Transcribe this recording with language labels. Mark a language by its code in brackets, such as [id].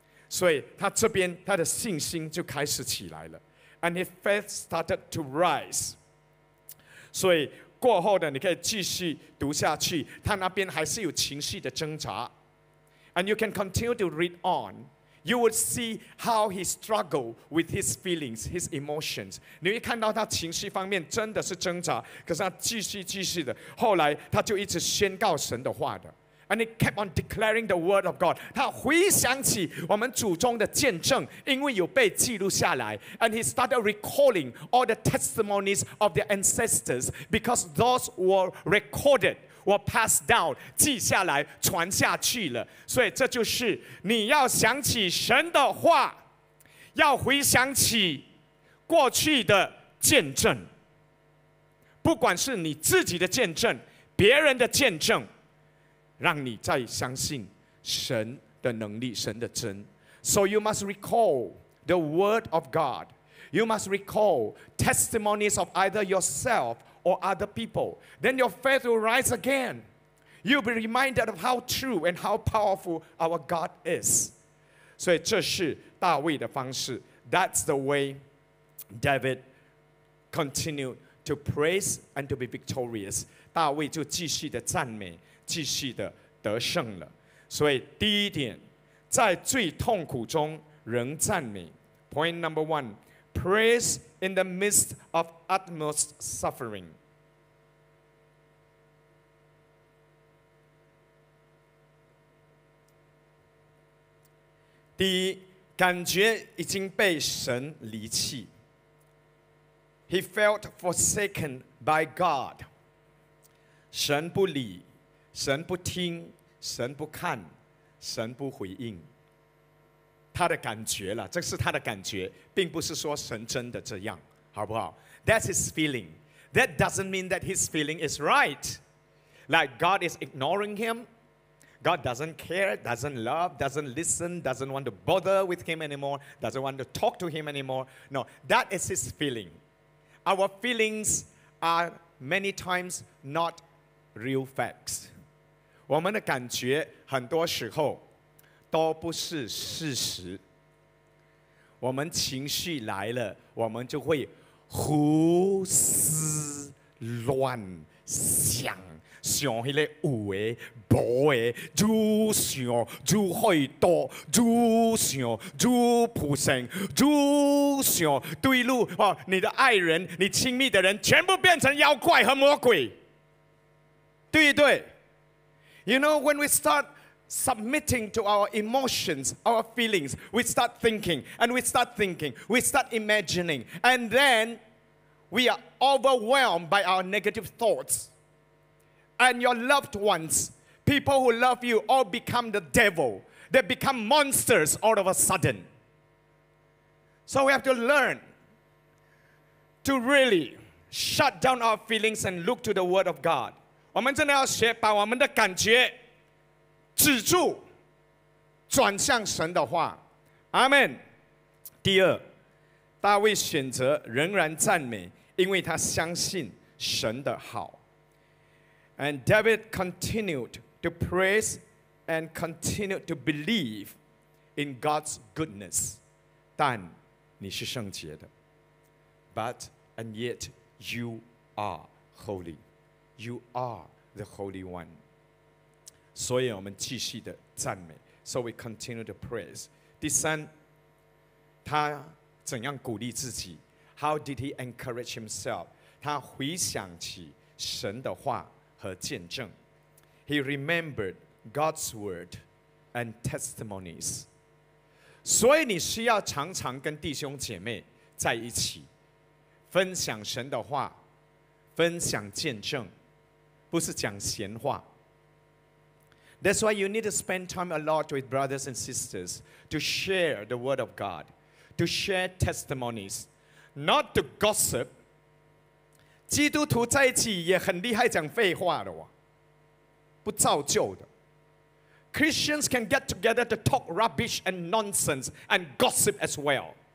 [zh] 所以他这边他的信心就开始起来了， [en] and his faith started to rise. [zh] 所以过后的你可以继续读下去，他那边还是有情绪的挣扎， [en] and you can continue to read on. You would see how he struggled with his feelings, his emotions. [zh] 你会看到他情绪方面真的是挣扎，可是他继续的，后来他就一直宣告神的话的。 [en] And he kept on declaring the word of God. [zh] 他回想起我们祖宗的见证，因为有被记录下来。 [en] And he started recalling all the testimonies of their ancestors because those were recorded. [zh] 我 pass down 记下来传下去了，所以这就是你要想起神的话，要回想起过去的见证，不管是你自己的见证，别人的见证，让你再相信神的能力，神的真。 [en] So you must recall the word of God. You must recall testimonies of either yourself or other people. Then your faith will rise again. You'll be reminded of how true and how powerful our God is. [zh] 所以这是大卫的方式。 [en] That's the way David continued to praise and to be victorious. [zh] 大卫就继续的赞美，继续的得胜了。所以第一点，在最痛苦中仍赞美。 [en] Point number one, praise in the midst of utmost suffering. [zh] 第一，感觉已经被神离弃。 [en] He felt forsaken by God. [zh] 神不理，神不听，神不看，神不回应。他的感觉了，这是他的感觉，并不是说神真的这样，好不好 ？ [en] That's his feeling. That doesn't mean that his feeling is right. Like God is ignoring him. God doesn't care, doesn't love, doesn't listen, doesn't want to bother with him anymore, doesn't want to talk to him anymore. No, that is his feeling. Our feelings are many times not real facts. [zh] 我们的感觉很多时候都不是事实。我们情绪来了，我们就会胡思乱想。想那些有的无的，主想主开导，主想主普圣，主想对路、哦、你的爱人，你亲密的人全部变成妖怪和魔鬼，对不对？ [en] You know, when we start submitting to our emotions, our feelings, we start thinking, and we start thinking, we start imagining, and then we are overwhelmed by our negative thoughtsAnd your loved ones, people who love you, all become the devil. They become monsters all of a sudden. So we have to learn to really shut down our feelings and look to the word of God. [zh] 我们真的要学把我们的感觉止住，转向神的话。 [en] Amen. [zh] 第二，大卫选择仍然赞美，因为他相信神的好。 [en] And David continued to praise and continued to believe in God's goodness. [zh] 但你是圣洁的。 [en] But and yet you are holy. You are the Holy One. [zh] 所以我们继续的赞美。 [en] So we continue to praise. [zh] 第三，他怎样鼓励自己？ [en] How did he encourage himself? [zh] 他回想起神的话。和见证 [en] He remembered God's word and testimonies. [zh] 所以你需要常常跟弟兄姐妹在一起，分享神的话，分享见证，不是讲闲话。 [en] That's why you need to spend time a lot with brothers and sisters to share the word of God, to share testimonies, not to gossip. [zh] 基督徒在一起也很厉害讲废话的哦，不造就的。 [en] Christians can get together to talk rubbish and nonsense and gossip as well.